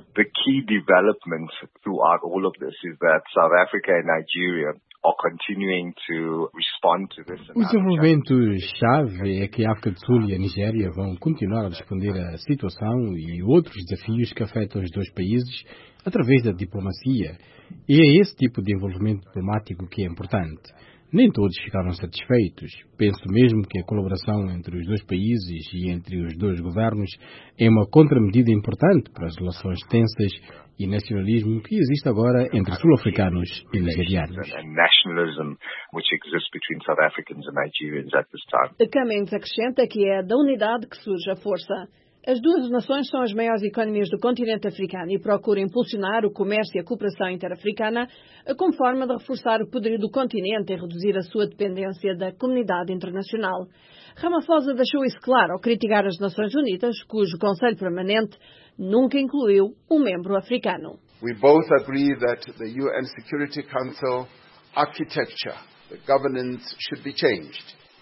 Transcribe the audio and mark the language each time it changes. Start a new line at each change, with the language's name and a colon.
English: The key development throughout all of this is that South Africa and Nigeria are continuing to respond to this.
Portuguese: O desenvolvimento chave é que a África do Sul e a Nigéria vão continuar a responder à situação e outros desafios que afetam os dois países através da diplomacia. E é esse tipo de envolvimento diplomático que é importante. Nem todos ficaram satisfeitos. Penso mesmo que a colaboração entre os dois países e entre os dois governos é uma contramedida importante para as relações tensas e nacionalismo que existe agora entre sul-africanos e nigerianos. A Câmara acrescenta que é da unidade que surge a força. As duas nações são as maiores economias do continente africano e procuram impulsionar o comércio e a cooperação interafricana como forma de reforçar o poderio do continente e reduzir a sua dependência da comunidade internacional. Ramaphosa deixou isso claro ao criticar as Nações Unidas, cujo Conselho Permanente nunca incluiu um membro africano.
English: We both agree that the UN Security Council architecture, the governance should be changed.